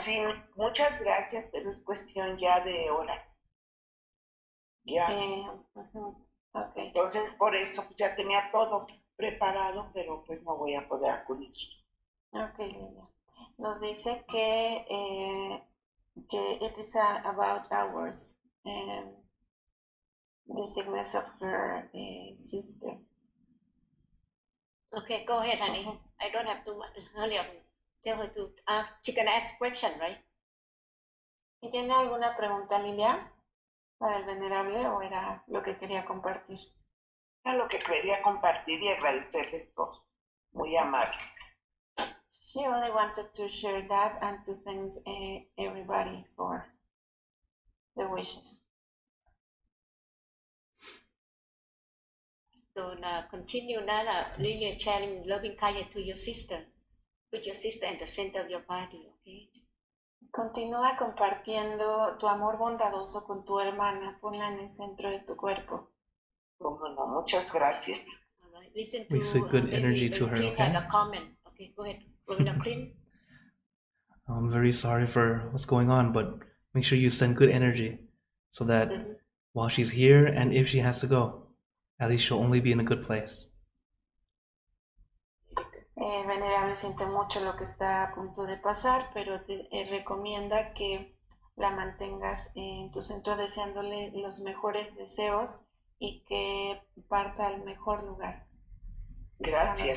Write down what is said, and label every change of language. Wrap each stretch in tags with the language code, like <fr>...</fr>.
<es>Sí, muchas gracias, pero es cuestión ya de horas. Ya.</es> <en>Okay.</en> <es>Entonces, por eso ya tenía todo preparado, pero pues no voy a poder acudir.</es> <en>Okay, Lilia.</en> <es>Nos dice que, que</es> <en>it is about hours, the sickness of her sister. Okay, go ahead, honey. Okay. I don't have too much earlier. Tell her to ask, she can ask question, right?</en> <es>¿Y tiene alguna pregunta, Lilia, para el venerable, o era lo que quería compartir? Era lo que quería compartir y agradecerles todos. Muy amables.</es> <en>She only wanted to share that and to thank everybody for the wishes. don't continue Nana, really channeling loving kindness to your sister. Put your sister in the center of your body, okay?</en> <es>Continúa compartiendo tu amor bondadoso con tu hermana, ponla en el centro de tu cuerpo. Bueno, muchas gracias.</es> <en>Listen to, we say good energy to her, okay? Like a comment. Okay, go ahead. Govinda Krim. I'm very sorry for what's going on, but make sure you send good energy so that while she's here and if she has to go, at least she'll only be in a good place. Venerable, siento mucho lo que está a punto de pasar, pero te recomienda que la mantengas en tu centro deseándole los mejores deseos y que parta al mejor lugar. Gracias.</en>